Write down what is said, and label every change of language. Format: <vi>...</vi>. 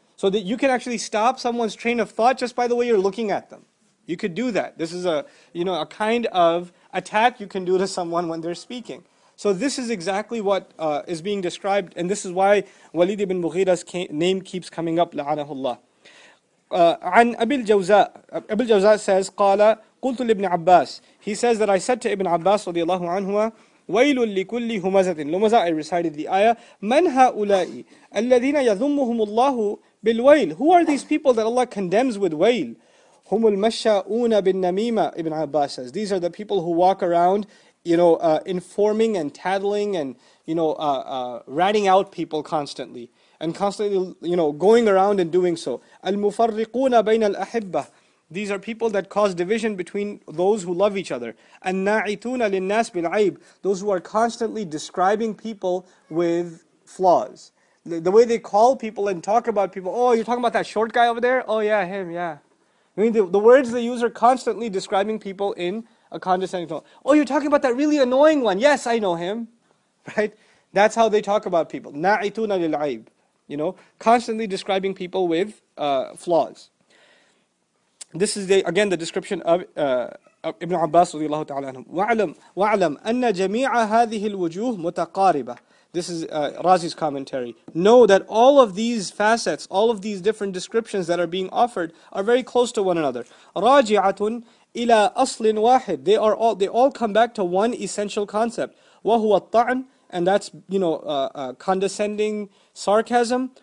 <en>So that you can actually stop someone's train of thought just by the way you're looking at them. You could do that. This is a kind of attack you can do to someone when they're speaking. So this is exactly what is being described, and this is why Walid ibn Mughira's name keeps coming up, la'anahullah.</en> <ar>عن أبي الجوزاء. أبي الجوزاء says, قال قلت لابن عباس.</ar> <en>He says that I said to Ibn Abbas رضي الله عنه,</en> <ar>ويل لكل همزة.</ar> <en>لمزة. I recited the ayah.</en> <ar>من هؤلاء الذين يذمهم الله بالويل.</ar> <en>Who are these people that Allah condemns with ويل?</en> <ar>هم المشاؤون بالنميمة.</ar> <en>Ibn Abbas says, these are the people who walk around, you know, informing and tattling and, you know, ratting out people constantly. And constantly, you know, going around and doing so.</en> <ar>Al-mufarriquna bayn al-ahibbah.</ar> <en>These are people that cause division between those who love each other.</en> <ar>Al-na'ituna lin-nas bil-aib.</ar> <en>Those who are constantly describing people with flaws. The way they call people and talk about people. Oh, you're talking about that short guy over there? Oh yeah, him, yeah. I mean, the words they use are constantly describing people in a condescending tone. Oh, you're talking about that really annoying one. Yes, I know him. Right? That's how they talk about people.</en> <ar>Na'ituna lil-aib.</ar> <en>You know, constantly describing people with flaws. This is the description of Ibn Abbas</en> <ar>رضي الله تعالى عنه. وَعَلَمْ أَنَّ جَمِيعَ هَذِهِ الْوُجُوهِ مُتَقَارِبَةٌ.</ar> <en>This is Razi's commentary. Know that all of these facets, all of these different descriptions that are being offered are very close to one another.</en> <ar>Raji'atun ila aslin wahid.</ar> <en>They all come back to one essential concept.</en> <ar>Wahuwa ta'an,</ar> <en>and that's, you know, condescending sarcasm.</en>